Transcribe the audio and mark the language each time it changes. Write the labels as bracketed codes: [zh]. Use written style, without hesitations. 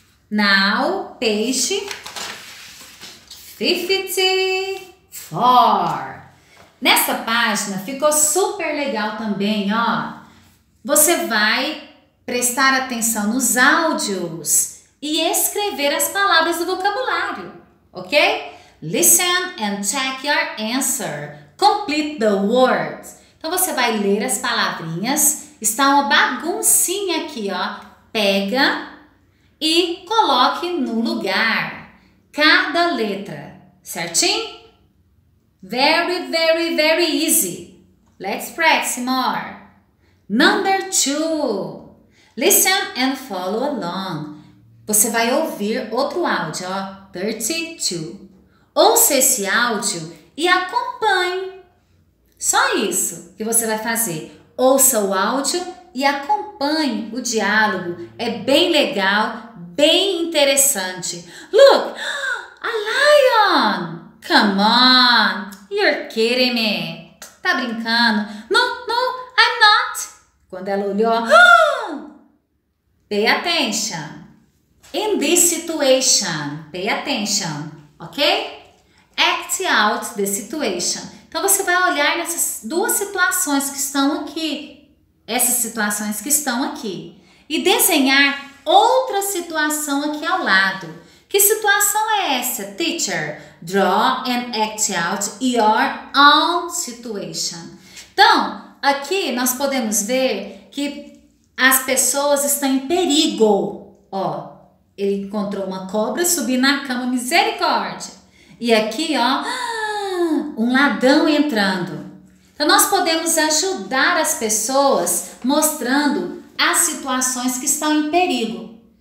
[en] Now, page 54. [pt] Nessa página ficou super legal também, ó. Você vai prestar atenção nos áudios e escrever as palavras do vocabulário, ok? [en] Listen and check your answer. Complete the words. [pt] Então, você vai ler as palavrinhas. Está uma baguncinha aqui, ó. Pega e coloque no lugar cada letra, certinho? [en] Very, very, very easy. Let's practice more. Number 2. Listen and follow along. [pt] Você vai ouvir outro áudio, ó. 32. Ouça esse áudio e acompanhe. Só isso que você vai fazer. Ouça o áudio e acompanhe o diálogo. É bem legal, bem interessante. [en] Look! A lion! Come on! You're kidding me! [pt] Tá brincando? [en] No, no, I'm not! [pt] Quando ela olhou, [en] pay attention. In this situation, pay attention, ok? Act out the situation. [pt] Então, você vai olhar nessas duas situações que estão aqui. Essas situações que estão aqui. E desenhar outra situação aqui ao lado. Que situação é essa, teacher? [en] Draw and act out your own situation. [pt] Então, aqui nós podemos ver que as pessoas estão em perigo. Ó, ele encontrou uma cobra subindo na cama, misericórdia. E aqui, ó, um ladrão entrando. Então, nós podemos ajudar as pessoas mostrando as situações que estão em perigo.